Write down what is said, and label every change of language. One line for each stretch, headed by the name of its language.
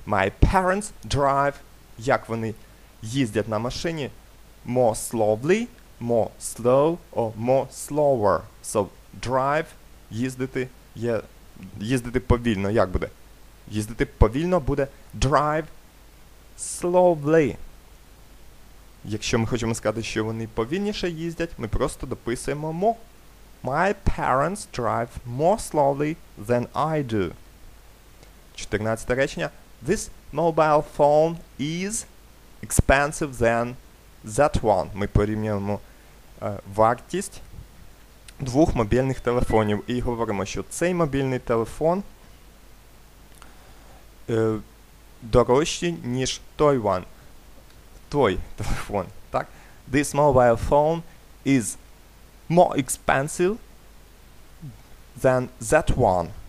English: My parents drive,
Ukrainian: як вони їздять на машині,
English: more slowly, more slow, or more slower.
Ukrainian: So, drive, їздити повільно, як буде? Їздити повільно буде
English: drive slowly.
Ukrainian: Якщо ми хочемо сказати, що вони повільніше їздять, ми просто дописуємо more.
English: My parents drive more slowly than I do.
Ukrainian: 14-те речення.
English: This mobile phone is expensive than that one.
Ukrainian: Ми порівнюємо вартість двох мобільних телефонів і говоримо, що цей мобільний телефон дорожчий, ніж той one. Той телефон, так?
English: This mobile phone is more expensive than that one.